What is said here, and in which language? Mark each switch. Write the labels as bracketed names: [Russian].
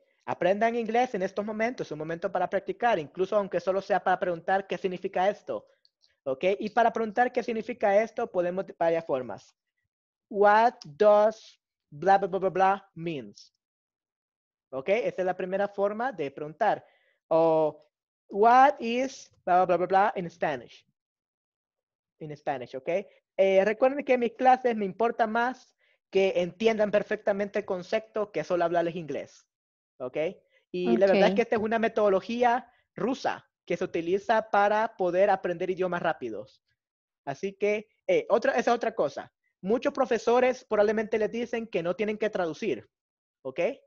[Spanish] Aprendan inglés en estos momentos. Es un momento para practicar, incluso aunque solo sea para preguntar qué significa esto. Ok. Y para preguntar qué significa esto, podemos de varias formas. [English] What does blah, blah, blah, blah, blah means? ¿Ok? [Spanish] Esa es la primera forma de preguntar. O, [English] what is blah, blah, blah, blah, in Spanish. In Spanish, ¿ok? [Spanish] Recuerden que en mis clases me importa más que entiendan perfectamente el concepto que solo hablarles inglés. ¿Ok? Y okay, la verdad es que esta es una metodología rusa que se utiliza para poder aprender idiomas rápidos. Así que, esa es otra cosa. Muchos profesores probablemente les dicen que no tienen que traducir. ¿Ok?